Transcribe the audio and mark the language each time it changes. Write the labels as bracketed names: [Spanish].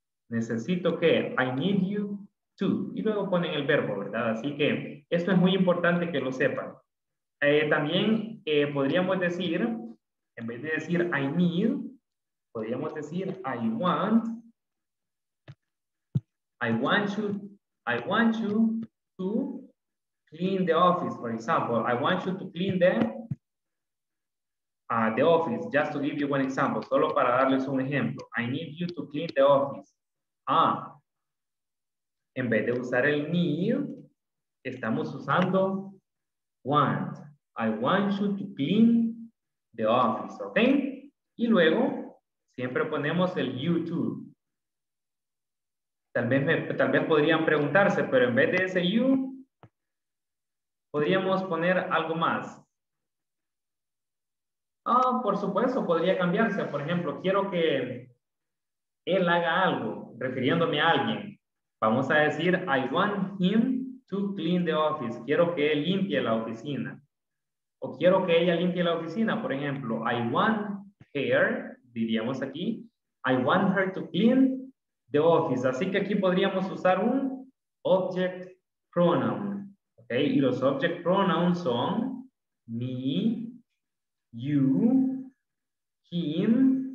[Spanish] Necesito que. [English] I need you to. [Spanish] Y luego ponen el verbo, ¿verdad? Así que esto es muy importante que lo sepan. También podríamos decir, en vez de decir I need, podríamos decir I want. [English] I want you to clean the office, for example. I want you to clean the office, just to give you one example. [Spanish] Solo para darles un ejemplo. [English] I need you to clean the office. [Spanish] Ah, en vez de usar el need, estamos usando want. [English] I want you to clean the office, ¿ok? [Spanish] Y luego, siempre ponemos el you to. Tal vez podrían preguntarse, pero en vez de ese you, podríamos poner algo más. Ah, por supuesto, podría cambiarse. Por ejemplo, quiero que él haga algo, refiriéndome a alguien. Vamos a decir, [English] I want him to clean the office. [Spanish] Quiero que él limpie la oficina. O quiero que ella limpie la oficina, por ejemplo. [English] I want her, [Spanish] diríamos aquí, [English] I want her to clean the office. [Spanish] Así que aquí podríamos usar un object pronoun. [English] Okay? [Spanish] Y los object pronouns son me, you, him.